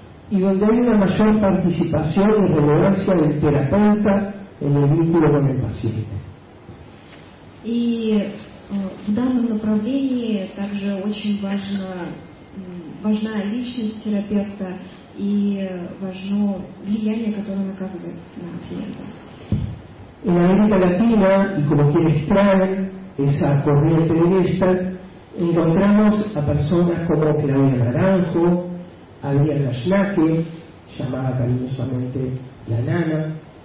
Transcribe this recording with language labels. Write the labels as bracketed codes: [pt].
[es] И donde hay una mayor participación y relevancia del terapeuta en el vínculo con el paciente. [ru] И в данном направлении также очень важно, важна личность терапевта и важно влияние, которое он оказывает на клиента. [es] En América Latina, y como quienes traen esa corriente de Gestalt, encontramos a personas como Claudia Naranjo, Adriana Schlake, llamada cariñosamente la Nana.